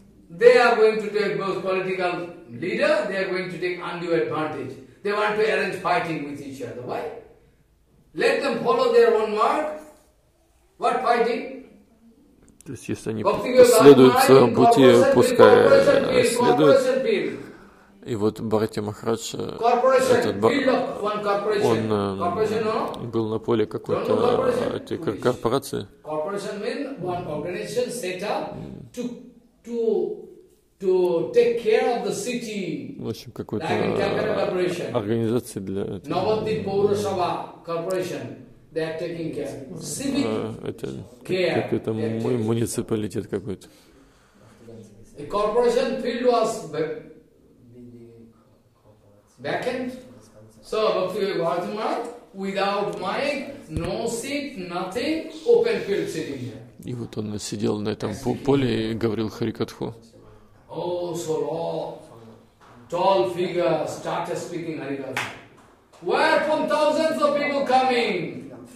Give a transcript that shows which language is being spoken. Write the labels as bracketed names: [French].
[English] They are going to take both political leader, they are going to take undue advantage. They want to arrange fighting with each other. Why? Let them follow their own mark. What fighting? [Russian] То есть, если они следуют своему пути, пускай следуют. И вот Бхарати Махарадж, этот он был на поле какой-то корпорации. [English] Corporation means one organization set up to take care of the city. [Russian] В общем, какой-то организации для этого. [English] Navadvip Paura Sabha Corporation. They are taking care. Civic [Russian] это, [English] care. [Russian] Как это мой муниципалитет какой-то. [English] The corporation field was vacant. So Bhakti Bhakti Maharaj, without mic, no seat, nothing, open field sitting here. [Russian] И вот он сидел на этом поле и говорил Харикатху. [English] Oh, so long. Tall figure started speaking Harikatha. Where from thousands of people coming?